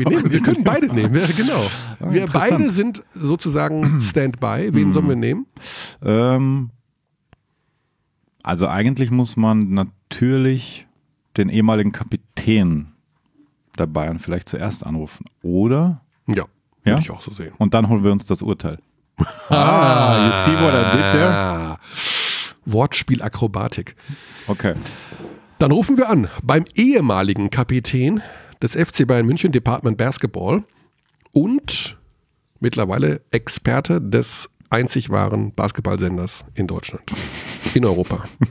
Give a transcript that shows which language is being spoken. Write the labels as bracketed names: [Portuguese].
[German] wir können beide nehmen, ja, genau. Wir beide sind sozusagen Standby. Wen sollen wir nehmen? Also eigentlich muss man natürlich den ehemaligen Kapitän der Bayern vielleicht zuerst anrufen, oder? Ja, ja? Würde ich auch so sehen. Und dann holen wir uns das Urteil. [English] Ah, you see what I did there? [German] Wortspielakrobatik. Okay. Dann rufen wir an beim ehemaligen Kapitän des FC Bayern München, Department Basketball und mittlerweile Experte des einzig wahren Basketballsenders in Deutschland, in Europa.